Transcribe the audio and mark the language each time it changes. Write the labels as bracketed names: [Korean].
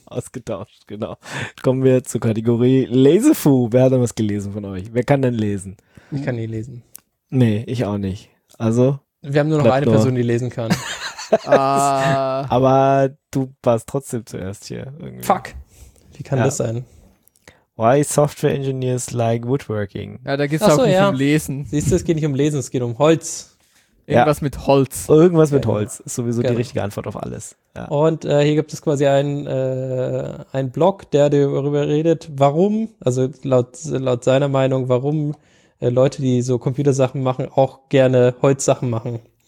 [German] Ausgetauscht, genau. Kommen wir zur Kategorie Lesefu. Wer hat denn was gelesen von euch? Wer kann denn lesen? Ich kann nie lesen. Nee, ich auch nicht. Also. Wir haben nur noch eine Person, die lesen kann. Aber du warst trotzdem zuerst hier. Irgendwie. Fuck. Wie kann das sein? [English] Why software engineers like woodworking? [German] Ja, da geht es auch nicht um Lesen. Siehst du, es geht nicht um Lesen, es geht um Holz. Irgendwas mit Holz. Irgendwas mit Holz ist sowieso die richtige Antwort auf alles. Ja. Und hier gibt es quasi einen Blog, der darüber redet, warum, also laut seiner Meinung, warum Leute, die so Computersachen machen, auch gerne Holzsachen machen.